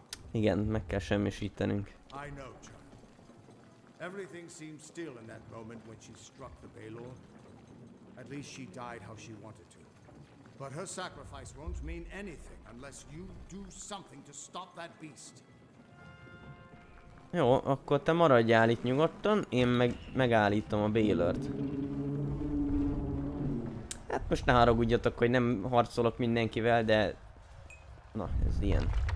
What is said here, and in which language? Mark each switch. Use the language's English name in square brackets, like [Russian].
[Hungarian] Igen, meg kell semmisítenünk. [English] Everything seemed still in that moment when she struck the Baylor. At least she died how she wanted to. But her sacrifice won't mean anything unless you do something to stop that beast. [Hungarian] Jó, akkor te maradjál itt nyugodtan, én megállítom a Baylort. Hát most ne haragudjatok, hogy nem harcolok mindenkivel, de... Na, ez ilyen.